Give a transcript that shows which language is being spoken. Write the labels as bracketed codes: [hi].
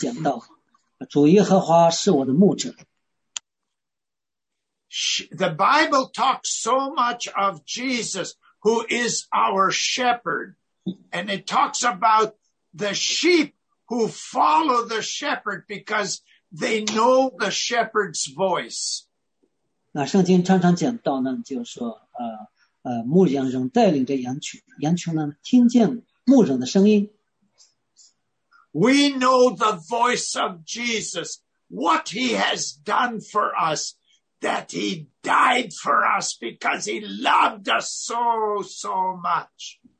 [zh] 在诗篇23篇开头就讲到，主耶和华是我的牧者。 [en] The Bible talks so much of Jesus, who is our shepherd. And it talks about the sheep who follow the shepherd because they know the shepherd's voice. [zh] 那圣经常常讲到呢，就是说，牧羊人带领着羊群，羊群呢，听见牧人的声音。 [en] We know the voice of Jesus, what he has done for us, that he died for us because he loved us so, so much.